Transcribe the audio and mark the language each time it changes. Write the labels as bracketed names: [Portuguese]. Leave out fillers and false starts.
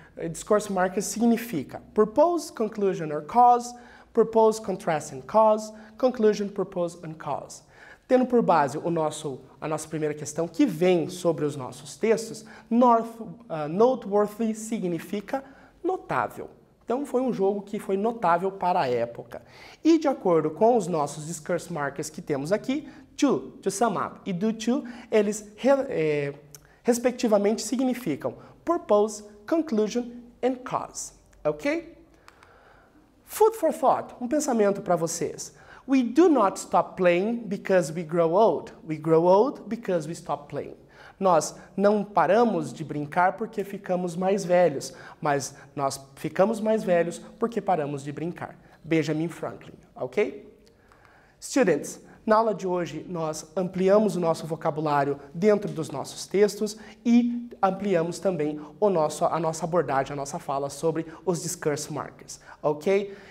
[English] Discourse markers significa propose, conclusion or cause, propose, contrast and cause, conclusion, propose and cause. [Portuguese] Tendo por base a nossa primeira questão que vem sobre os nossos textos, noteworthy significa notável. Então foi um jogo que foi notável para a época. E de acordo com os nossos discourse markers que temos aqui, to sum up e do to, eles respectivamente significam [English] purpose, conclusion and cause. [Portuguese] Ok? [English] Food for thought, [Portuguese] um pensamento para vocês. [English] We do not stop playing because we grow old. We grow old because we stop playing. [Portuguese] Nós não paramos de brincar porque ficamos mais velhos, mas nós ficamos mais velhos porque paramos de brincar. Benjamin Franklin, ok? Students, na aula de hoje nós ampliamos o nosso vocabulário dentro dos nossos textos e ampliamos também a nossa abordagem, a nossa fala sobre os discourse markers, ok?